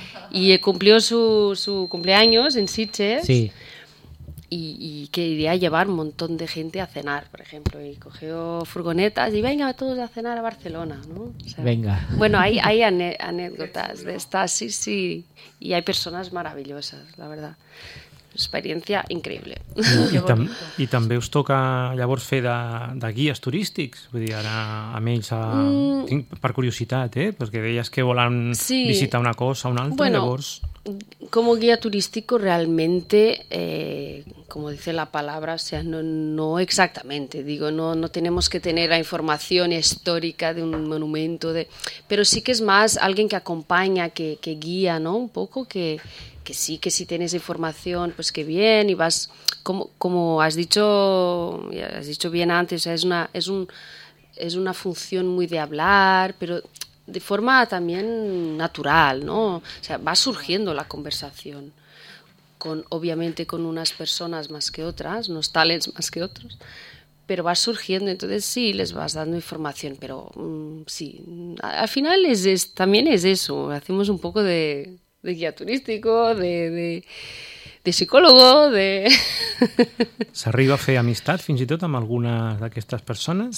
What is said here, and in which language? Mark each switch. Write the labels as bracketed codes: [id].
[es] Y cumplió su cumpleaños en Sitges. Sí. Y quería llevar un montón de gente a cenar, por ejemplo, y cogió furgonetas y venga todos a cenar a Barcelona, ¿no? O sea, venga. Bueno, hay anécdotas de estas, sí, sí, y hay personas maravillosas, la verdad. [ca] Experiència increïble. I també us toca llavors fer de guies turístics, vull dir, ara amb ells per curiositat, perquè deies que volen visitar una cosa o una altra, bueno, llavors... [es] Como guía turístico realmente, como dice la palabra, o sea, no exactamente, digo, no tenemos que tener la información histórica de un monumento, pero sí que es más alguien que acompaña, que guía, ¿no? Un poco que sí, que si tienes información, pues que bien, y vas, como has dicho bien antes, o sea, es una función muy de hablar, pero de forma también natural, ¿no? O sea, va surgiendo la conversación, obviamente con unas personas más que otras, unos talents más que otros, pero va surgiendo, entonces sí, les vas dando información, pero sí, al final también es eso, hacemos un poco de guía turístico, de psicólogo, de... [ca] S'arriba a fer amistat, fins i tot, amb alguna d'aquestes persones?